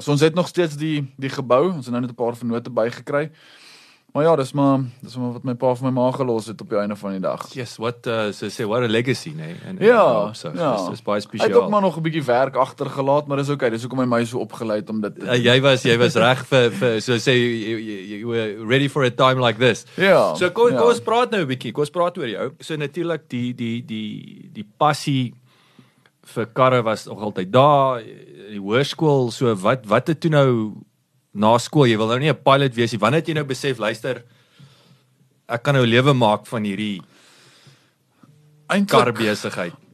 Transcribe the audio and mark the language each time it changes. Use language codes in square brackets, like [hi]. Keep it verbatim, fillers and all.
[af] So ons het nog steeds die, die gebouw, ons het nou net 'n paar vennote bygekry. Maar ja, dis maar, dis maar wat my pa vir my ma gelos het op die einde van die dag. Yes, wat, uh, so sê, what a legacy, nee? En, ja, so, ja. Dis, dis baie spesiaal. Hy het ook maar nog 'n bietjie werk agtergelaat, maar dis okay, dis hoekom my my so opgeleid om dit te uh, Jy was, jy was reg vir, vir, so sê, [en] you, you were ready for a time like this. [af] Ja. So kom, ja. kom ons praat nou 'n bietjie, kom ons praat oor jou. So natuurlik, die, die, die, die passie vir karre was nog altyd daar, die hoërskool, so wat, wat het toe nou na skool, jy wil nou nie 'n pilot wees nie, wanneer het jy nou besef, luister, ek kan nou lewe maak van hierdie karbesigheid?